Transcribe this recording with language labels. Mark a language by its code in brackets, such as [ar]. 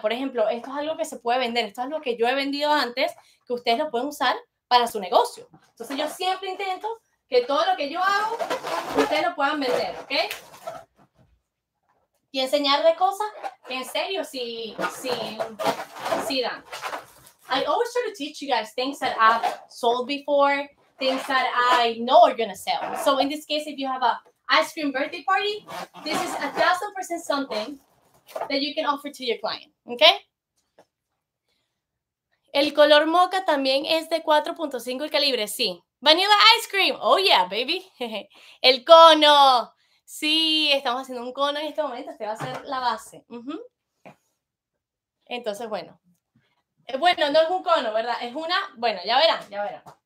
[es] Por ejemplo, esto es algo que se puede vender. Esto es algo que yo he vendido antes, que ustedes lo pueden usar para su negocio. Entonces, yo siempre intento que todo lo que yo hago, ustedes lo puedan vender, ¿ok? Y enseñarles cosas que en serio sí dan. [en] I always try to teach you guys things that I've sold before, things that I know are going to sell. So, in this case, if you have a ice cream birthday party, this is 1000% something that you can offer to your client, okay? [es] El color mocha también es de 4.5 el calibre, sí. [en] Vanilla ice cream, oh yeah, baby. [es] El cono, sí, estamos haciendo un cono en este momento, este va a ser la base. Entonces, bueno. Bueno, no es un cono, ¿verdad? Es una, bueno, ya verán, ya verán.